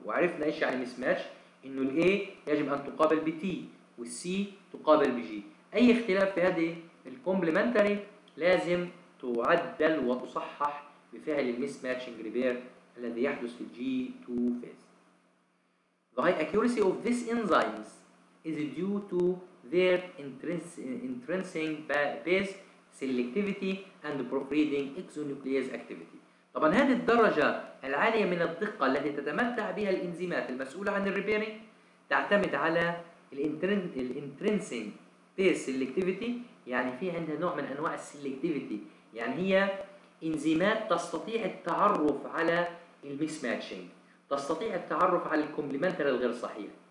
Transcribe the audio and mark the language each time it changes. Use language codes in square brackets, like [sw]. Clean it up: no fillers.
[ar] وعرفنا إيش يعني mismatch، إنه الA يجب أن تقابل بT والC تقابل بG. أي اختلاف في هذه الكومبلمنتري لازم تعدل وتصحح بفعل الميس ماتشنج ريبير الذي يحدث في الجي 2 فيز. [en] The high accuracy of these enzymes is due to their intrinsic base selectivity and proofreading exonuclease activity. [ar] طبعا هذه الدرجة العالية من الدقة التي تتمتع بها الانزيمات المسؤولة عن الريبيرنج تعتمد على الانترنسنج بيس سيلكتيفيتي، يعني في عندها نوع من انواع السيلكتيفيتي، يعني هي انزيمات تستطيع التعرف على الميس ماتشنج، تستطيع التعرف على الكومبلمنتري الغير صحيح.